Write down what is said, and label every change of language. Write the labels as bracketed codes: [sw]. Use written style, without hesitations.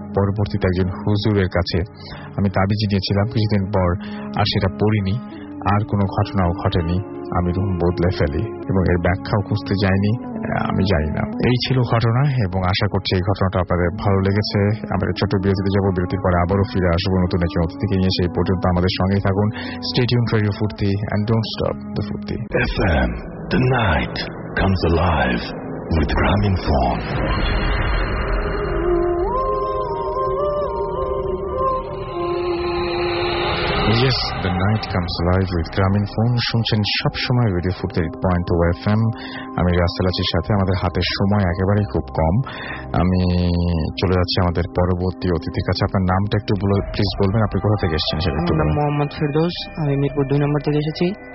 [bn] পরবর্তীতে একজন হুজুরের কাছে আমি তাবিজ নিয়েছিলাম কিছুদিন পর, আর সেটা পড়িনি, আর কোনো ঘটনাও ঘটেনি, আমি রুম বদলে ফেলি এবং এর ব্যাখ্যাও খুঁজতে যাইনি, আমি জানি না। এই ছিল ঘটনা, এবং আশা করছি এই ঘটনাটা আপনাদের ভালো লেগেছে। আমরা ছোট বিরতিতে যাবো, বিরতির পরে আবারও ফিরে আসবো নতুন একজন অতিথিকে নিয়ে। সেই পর্যন্ত আমাদের সঙ্গে থাকুন, [en] Stay tune for your Foorti, and don't stop the Foorti. FM, the night comes alive with Grameenphone. Yes, the night comes alive with Grameenphone. [bn] শুনছেন সবসময় রেডিও ফুর্তি 88.2 FM। আমি রাসেল আছি সাথে, আমাদের হাতে সময় একেবারেই খুব কম। আমি চলে যাচ্ছি আমাদের পরবর্তী অতিথির কাছে। আপনার নামটা একটু প্লিজ বলবেন, আপনি কোথা থেকে এসেছেন? আমার নাম মোহাম্মদ ফেরদৌস, আমি মিরপুর 2 নম্বর থেকে এসেছি।